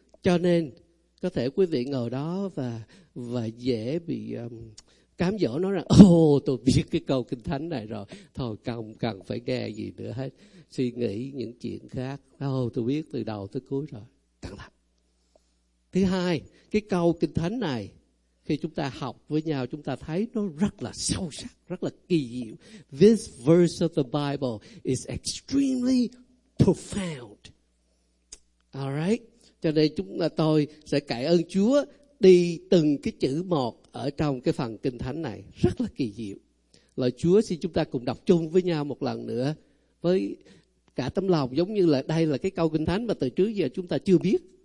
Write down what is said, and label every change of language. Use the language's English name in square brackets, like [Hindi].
[Vietnamese] Cho nên có thể quý vị ngồi đó và dễ bị cám dỗ nó rằng ồ, tôi biết cái câu Kinh Thánh này rồi, thôi không cần phải nghe gì nữa hết, suy nghĩ những chuyện khác. Ồ, tôi biết từ đầu tới cuối rồi. Cẩn thận. Thứ hai, cái câu Kinh Thánh này khi chúng ta học với nhau, chúng ta thấy nó rất là sâu sắc, rất là kỳ diệu. [English] This verse of the Bible is extremely profound. All right. [Vietnamese] Cho nên tôi sẽ cảm ơn Chúa đi từng cái chữ một ở trong cái phần Kinh Thánh này. Rất là kỳ diệu. Lời Chúa xin chúng ta cùng đọc chung với nhau một lần nữa với cả tấm lòng, giống như là đây là cái câu Kinh Thánh mà từ trước giờ chúng ta chưa biết.